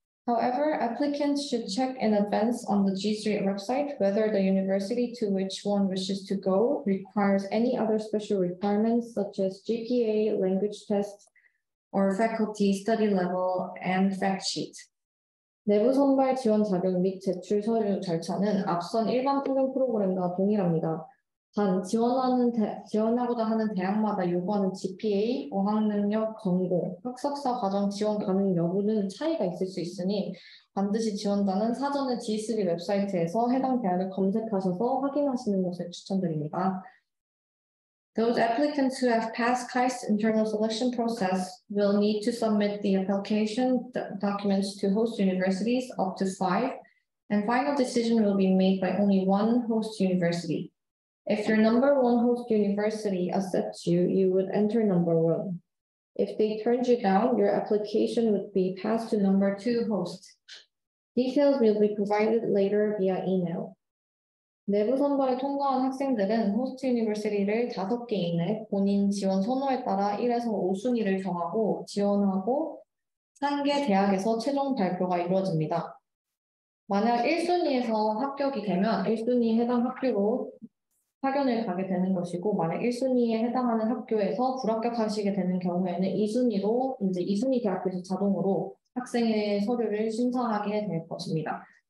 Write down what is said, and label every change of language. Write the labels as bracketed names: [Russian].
[English] However, applicants should check in advance on the G3 website whether the university to which one wishes to go requires any other special requirements such as GPA, language tests, or faculty study level and fact sheet. [Korean] 내부 선발 지원 자격 및 제출 서류 절차는 앞선 일반 통용 프로그램과 동일합니다. 단, 지원하고자 하는 대학마다 요구하는 GPA, 어학능력 권고, 학석사 과정 지원 가능 여부는 차이가 있을 수 있으니 반드시 지원자는 사전에 G3 웹사이트에서 해당 대학을 검색하셔서 확인하시는 것을 추천드립니다. [English] Those applicants who have passed KAIST internal selection process will need to submit the application documents to host universities up to 5, and final decision will be made by only one host university. If your number one host university accepts you, you would enter number one. If they turned you down, your application would be passed to number two host. Details will be provided later via email. [Korean] 내부 선발에 통과한 학생들은 호스트 유니버시티를 5개 이내, 본인 지원 선호에 따라 1에서 5순위를 정하고 지원하고 3개 대학에서 최종 발표가 이루어집니다. 만약 1순위에서 합격이 되면 1순위 해당 학교로 학연을 가게 되는 것이고, 만약 1순위에 해당하는 학교에서 불합격하시게 되는 경우에는 2순위로 이제 2순위 대학교에서 자동으로 학생의 서류를 심사하게 될 것입니다.